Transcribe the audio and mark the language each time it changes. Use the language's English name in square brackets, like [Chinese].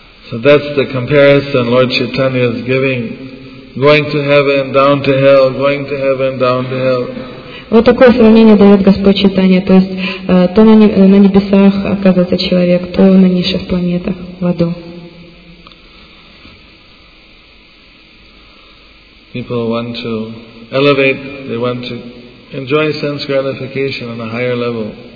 [English] So that's the comparison Lord Chaitanya is giving. Going to heaven, down to hell, going to heaven, down to hell. [Russian] Вот такое сравнение дает Господь Чайтанья, то есть то на небесах оказывается человек, то на низших планетах, в аду. [English] People want to elevate, they want to enjoy sense gratification on a higher level.